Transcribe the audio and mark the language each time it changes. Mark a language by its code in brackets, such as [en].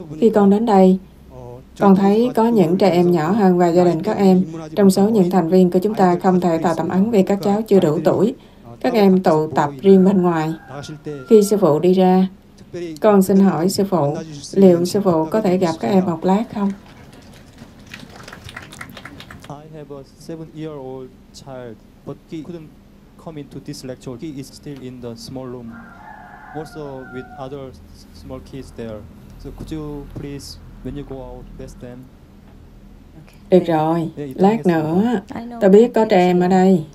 [vi] Khi con đến đây, con thấy có những trẻ em nhỏ hơn và gia đình các em. Trong số những thành viên của chúng ta không thể thọ tâm ấn vì các cháu chưa đủ tuổi. Các em tụ tập riêng bên ngoài. Khi sư phụ đi ra, con xin hỏi sư phụ, liệu sư phụ có thể gặp các em một lát không? [en] I have a 7-year-old child, but he couldn't come into this lecture. He is still in the small room, also with other small kids there. So could you please, when you go out, bless them? Okay. [vi] Được rồi, lát nữa, tôi biết có trẻ em ở đây.